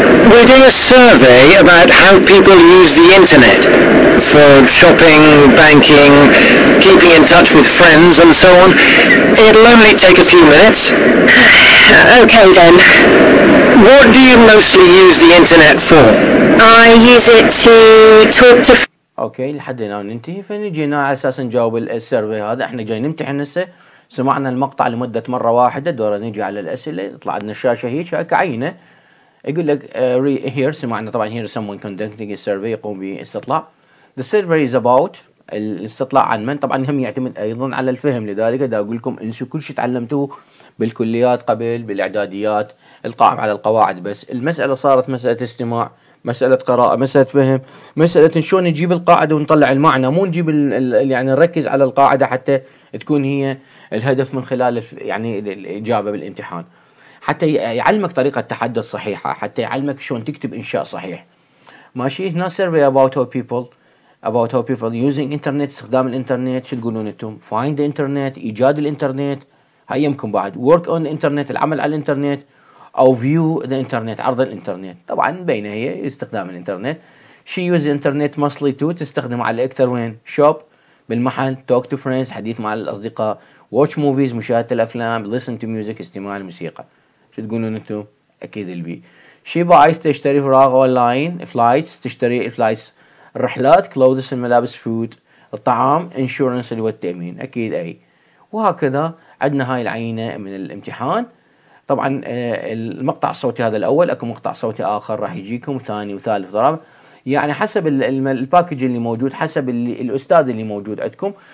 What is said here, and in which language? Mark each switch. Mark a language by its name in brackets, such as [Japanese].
[English] We're doing a survey about how people use the internet for shopping, banking, keeping in touch with friends, and so on. It'll only take a few minutes. Okay then. What do you mostly use the internet for? I use it to talk to. Okay, [Arabic] لحد هنا ننتهي. فنجينا على أساس نجاوب السيرفي هذا. إحنا جايين نمتحن هسه. سمعنا المقطع لمدة مرة واحدة. دورا نيجي على الأسئلة. طلعنا الشاشة هيك كعينة. يقول لك here, سمعنا طبعا [English] here someone conducting a survey, [Arabic] يقوم باستطلاع. [English] The survey is about, [Arabic] الاستطلاع عن من. طبعا هم يعتمد أيضا على الفهم, لذلك دا أقول لكم انسوا كل شيء تعلمتوه بالكليات قبل, بالإعداديات, القائم على القواعد. بس المسألة صارت مسألة استماع, مسألة قراءة, مسألة فهم, مسألة شلون نجيب القاعدة ونطلع المعنى, مو نجيب يعني نركز على القاعدة حتى تكون هي الهدف من خلال يعني الإجابة بالامتحان, حتى يعلمك طريقة التحدث صحيحة, حتى يعلمك شلون تكتب إنشاء صحيح. ماشي. [English] هنا survey about how people, about how people using internet, [Arabic] استخدام الإنترنت. شو تقولون أنتم؟ [English] find the internet, [Arabic] إيجاد الإنترنت, هاي يمكن بعد [English] work on internet, [Arabic] العمل على الإنترنت, أو [English] view the internet, [Arabic] عرض الإنترنت. طبعا بين هي استخدام الإنترنت. [English] she use internet mostly to, [Arabic] تستخدم على أكثر وين؟ [English] shop, بالمحل, talk to friends, [Arabic] حديث مع الأصدقاء, [English] watch movies, [Arabic] مشاهدة الأفلام, [English] listen to music, [Arabic] استماع الموسيقى. شو تقولون أنتم؟ أكيد البي. [English] she buys, [Arabic] تشتري فراغ online, flights, تشتري flights, الرحلات, clothes, الملابس, food, الطعام, insurance, اللي هو التأمين. أكيد أي. وهكذا عندنا هاي العينة من الامتحان. طبعا المقطع الصوتي هذا الأول, أكو مقطع صوتي آخر راح يجيكم, ثاني وثالث ورابع, يعني حسب الباكج اللي موجود, حسب الأستاذ اللي موجود عندكم.